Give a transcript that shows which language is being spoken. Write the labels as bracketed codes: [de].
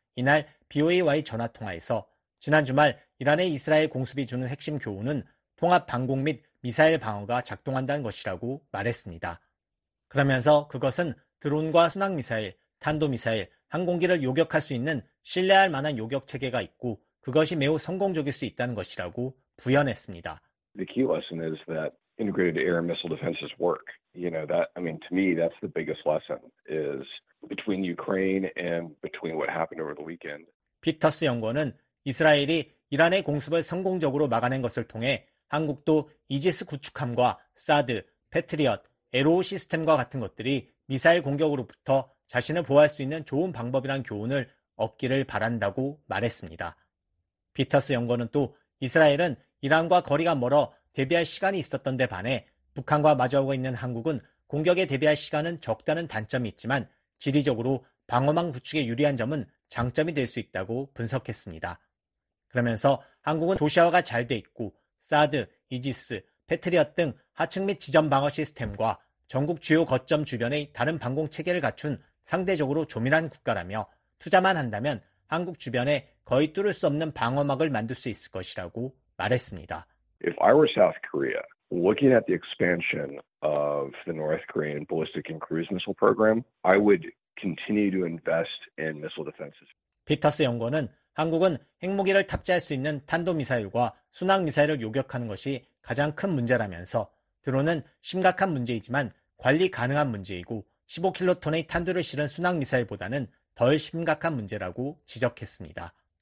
[ko] 이날 BOA와의 전화통화에서 지난 주말 이란의 이스라엘 공습이 주는 핵심 교훈은 통합 방공 및 미사일 방어가 작동한다는 것이라고 말했습니다. 그러면서 그것은 드론과 순항미사일, 탄도미사일, 항공기를 요격할 수 있는 신뢰할 만한 요격 체계가 있고 그것이 매우 성공적일 수 있다는 것이라고 부연했습니다. [en] The key lesson is that integrated air and missile defenses work. You know, that I mean to me that's the biggest lesson is between Ukraine and between what happened over the weekend. [ko] 피터스 연구원은 이스라엘이 이란의 공습을 성공적으로 막아낸 것을 통해 한국도 이지스 구축함과 사드, 패트리엇, 에로우 시스템과 같은 것들이 미사일 공격으로부터 자신을 보호할 수 있는 좋은 방법이란 교훈을 얻기를 바란다고 말했습니다. 피터스 연구원은 또 이스라엘은 이란과 거리가 멀어 대비할 시간이 있었던 데 반해 북한과 마주하고 있는 한국은 공격에 대비할 시간은 적다는 단점이 있지만 지리적으로 방어망 구축에 유리한 점은 장점이 될 수 있다고 분석했습니다. 그러면서 한국은 도시화가 잘 돼 있고 사드, 이지스, 패트리엇 등 하층 및 지점 방어 시스템과 전국 주요 거점 주변의 다른 방공 체계를 갖춘 상대적으로 조밀한 국가라며 투자만 한다면 한국 주변에 거의 뚫을 수 없는 방어막을 만들 수 있을 것이라고 말했습니다. [en] If I were South Korea, looking at the expansion of the North Korean ballistic and cruise missile program, I would continue to invest in missile defenses. [ko] 피터스 연구원은 한국은 핵무기를 탑재할 수 있는 탄도미사일과 순항미사일을 요격하는 것이 가장 큰 문제라면서 드론은 심각한 문제이지만 관리 가능한 문제이고 15킬로톤의 탄두를 실은 순항미사일보다는 덜 심각한 문제라고 지적했습니다.